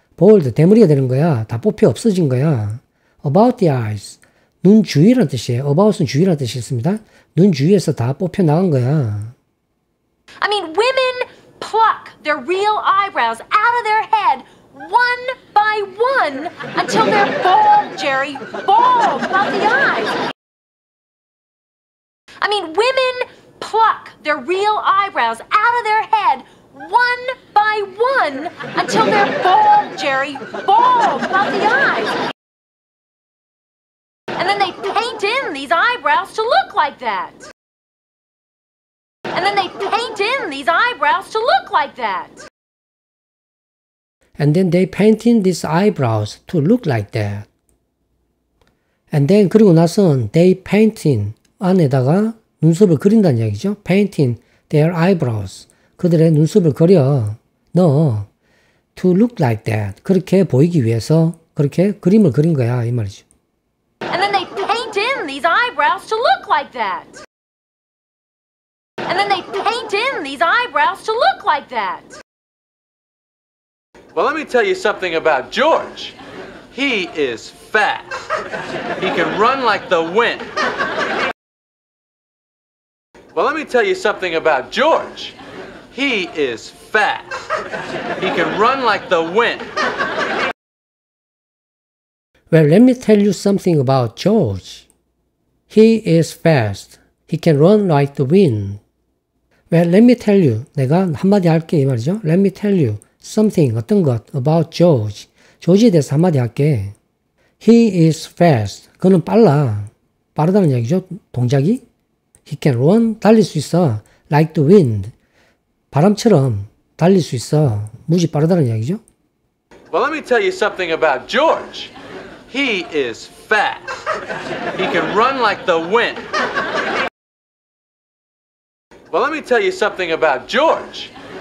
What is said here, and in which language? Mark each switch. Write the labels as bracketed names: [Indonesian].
[Korean] Bald, 대머리가 되는 거야, 다 뽑혀 없어진 거야. [English] About the eyes, [Korean] 눈 주위라는 뜻이에요. About은 주위라는 뜻이 있습니다. 눈 주위에서 다 뽑혀 나간 거야. [English] I mean, women pluck their real eyebrows out of their head one by one until they're bald, Jerry. Bald, about the eyes. I mean, women pluck their real eyebrows out of their head one by one until they're bald, Jerry. Bald, not the eyes. And then they paint in these eyebrows to look like that. And then they paint in these eyebrows to look like that. And then they paint in these eyebrows to look like that. And then [Korean] 그리고 나선 [English] they paint in [Korean] 안에다가 눈썹을 그린다는 이야기죠. [English] Painting their eyebrows. [Korean] 그들의 눈썹을 그려. 너. [English] To look like that. [Korean] 그렇게 보이기 위해서 그렇게 그림을 그린 거야. 이 말이죠. [English] And then they paint in these eyebrows to look like that. And then they paint in these eyebrows to look like that. Well, let me tell you something about George. He is fast. He can run like the wind. Well, let me tell you something about George. He is fast. He can run like the wind. Well, let me tell you something about George. He is fast. He can run like the wind. Well, let me tell you. [Korean] 내가 한마디 할게 이 말이죠. [English] Let me tell you something, [Korean] 어떤 것, [English] about George. [Korean] George에 대해서 한마디 할게. [English] He is fast. [Korean] 그는 빨라. 빠르다는 이야기죠, 동작이. [English] He can run, [Korean] 달릴 수 있어. [English] Like the wind, [Korean] 바람처럼 달릴 수 있어. 무지 빠르다는 이야기죠. [English] Well, let me tell you something about George. He is fast. He can run like the wind. Well, let me tell you something about George.